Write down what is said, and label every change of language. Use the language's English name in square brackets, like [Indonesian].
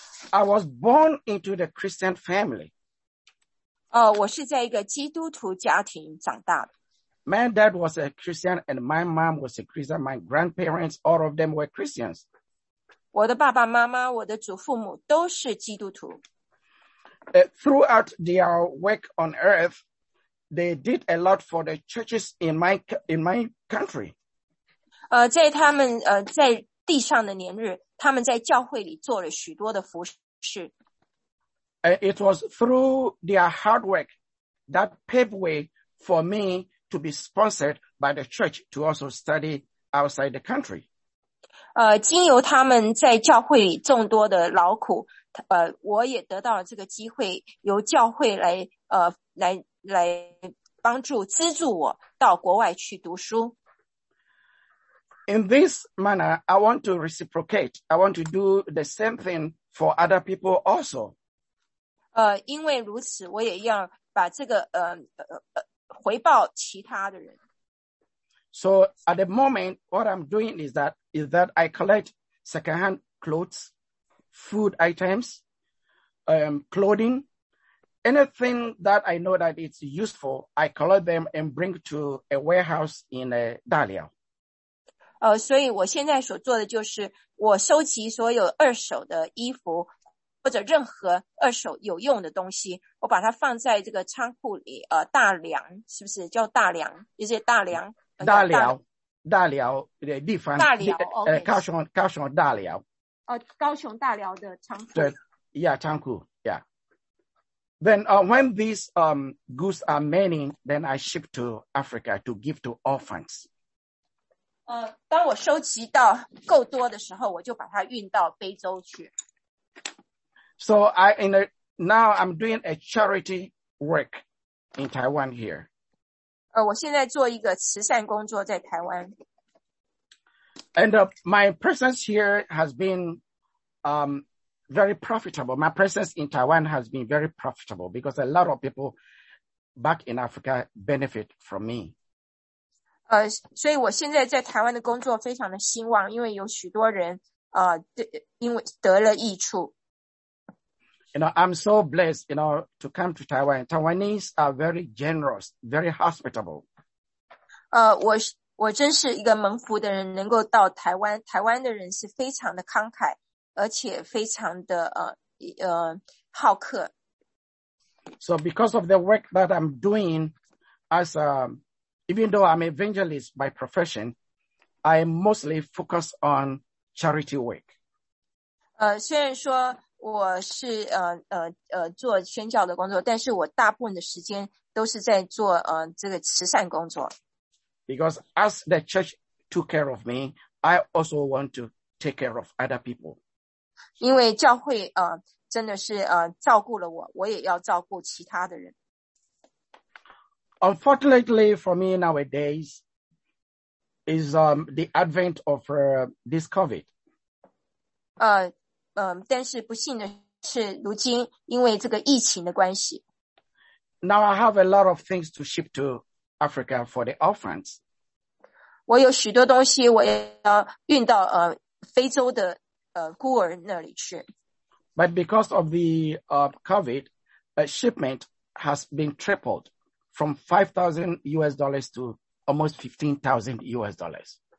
[English] I was born into the Christian family. [Chinese] 我是在一个基督徒家庭长大的。 [English] My dad was a Christian and my mom was a Christian. My grandparents, all of them were Christians. [Chinese] 我的爸爸妈妈，我的祖父母都是基督徒。 [English] Throughout their work on earth, they did a lot for the churches in my country. [Chinese] 在他们在地上的年日，他们在教会里做了许多的服事。 [English] It was through their hard work that paved way for me to be sponsored by the church to also study outside the country. [Chinese] 经由他们在教会里众多的劳苦，我也得到了这个机会，由教会来帮助资助我到国外去读书。 [English] In this manner, I want to reciprocate. I want to do the same thing for other people also. [Chinese] 因为如此，我也要把这个回报其他的人。 [English] So at the moment, what I'm doing is that I collect secondhand clothes, food items, clothing, anything that I know that it's useful, I collect them and bring to a warehouse in Daliao. [Chinese] 所以我现在所做的就是我收集所有二手的衣服或者任何二手有用的东西，我把它放在这个仓库里，大梁，是不是叫大梁？就是大梁。大寮，大寮的地方，大寮，okay. 高雄大寮，高雄大寮的仓库，对，呀，仓库，呀。 [English] Then when these goods are many, then I ship to Africa to give to orphans. [Chinese] 当我收集到够多的时候，我就把它运到非洲去。 [English] So I in a, now I'm doing a charity work in Taiwan here. [Chinese] 我现在做一个慈善工作在台湾。 [English] And my presence here has been very profitable. My presence in Taiwan has been very profitable because a lot of people back in Africa benefit from me. [Chinese] 所以我现在在台湾的工作非常的兴旺，因为有许多人因为得了益处。 [English] You know, I'm so blessed, you know, to come to Taiwan. Taiwanese are very generous, very hospitable. [Chinese] 我真是一个蒙福的人，能够到台湾。台湾的人是非常的慷慨，而且非常的好客。 [English] So because of the work that I'm doing, as even though I'm an evangelist by profession, I mostly focus on charity work. [Chinese] 虽然说我是做宣教的工作，但是我大部分的时间都是在做这个慈善工作。 [English] Because as the church took care of me, I also want to take care of other people. [Chinese] 因为教会真的是照顾了我，我也要照顾其他的人。 [English] Unfortunately for me nowadays, is the advent of this COVID. [Chinese] 但是不幸的是，如今因为这个疫情的关系。 [English] Now I have a lot of things to ship to Africa for the orphans. [Chinese] 我有许多东西我要运到 非洲的 孤儿那里去。 [English] But because of the COVID, a shipment has been tripled from $5,000 to almost $15,000.